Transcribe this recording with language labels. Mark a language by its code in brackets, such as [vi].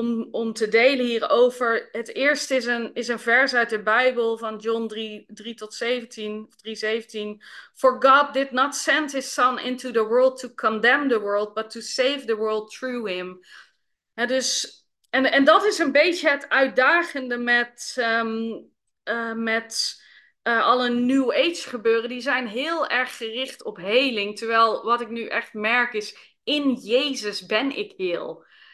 [nl] Om te delen hierover. Het eerste is een vers uit de Bijbel van John 3, 3 tot 17, 3, 17. [en] For God did not send his son into the world to condemn the world, but to save the world through him. [nl] En dat is een beetje het uitdagende met alle New Age gebeuren. Die zijn heel erg gericht op heling. Terwijl wat ik nu echt merk is, in Jezus ben ik heel.